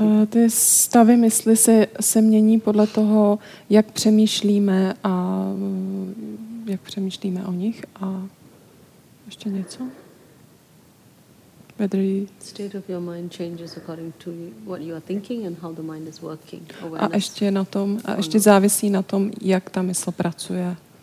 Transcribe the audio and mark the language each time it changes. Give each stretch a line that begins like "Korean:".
Czech: Ty stavy mysli se mění podle toho, jak přemýšlíme a jak přemýšlíme o nich. A ještě něco?
English: Whether state of your mind changes according to what you are thinking and how the mind is working.
Czech: A ještě na tom, a ještě závisí na tom, jak ta mysl pracuje.